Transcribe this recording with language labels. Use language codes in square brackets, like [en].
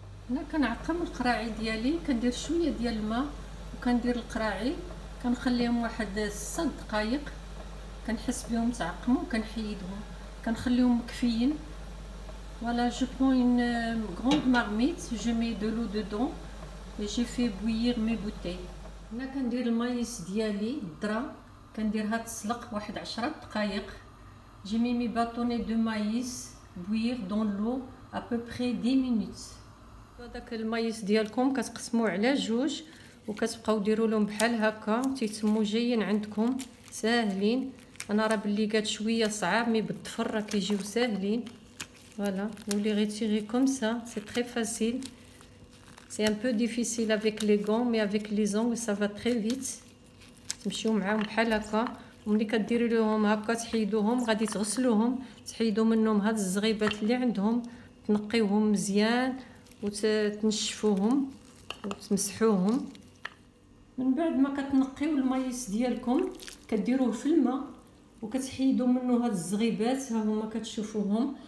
[ar] هنا كنعقم القراعي ديالي، كندير شوية ديال الماء وكندير القراعي، كنخليهم واحد 6 دقائق، كنحس بهم تعقموا وكنحيدهم، كنخليهم مكفيين. [fr] Voilà, je prends une grande marmite, je mets de l'eau dedans et j'ai fait bouillir mes bouteilles. Je vais mettre le maïs diali, dra, je vais mettre 10 دقائق. J'ai mis mes bâtonnets de maïs bouillir dans l'eau à peu près 10 minutes. [ar] هذاك المايس ديالكم كتقسموا على جوج وكتبقاو ديروا لهم بحال هكا، تيتسموا جايين عندكم ساهلين. انا راه باللي قالت شويه صعاب، مي بالضفر راه كيجيو ساهلين. [fr] Voilà, vous les retirez comme ça, c'est très facile. C'est un peu difficile avec les gants, mais avec les ongles, ça va très vite. [ar] تمشيو معاهم بحال هكا، وملي كديري لهم هكا تحيدوهم، غادي تغسلوهم، تحيدو منهم هاد الزغيبات اللي عندهم، تنقيوهم مزيان، وتنشفوهم، وتمسحوهم. من بعد ما كتنقيو المايس ديالكم، كديروه في الماء، وكتحيدو منو هاد الزغيبات، ها هما كتشوفوهم.